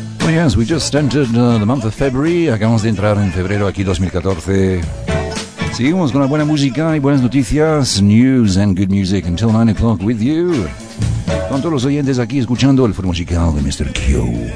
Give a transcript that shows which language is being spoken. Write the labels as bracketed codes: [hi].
[en] Yes, we just entered the month of February. [es] Acabamos de entrar en febrero aquí 2014. Seguimos con la buena música y buenas noticias. [en] News and good music until 9 o'clock with you. [es] Con todos los oyentes aquí escuchando el foro musical de Mr. Q.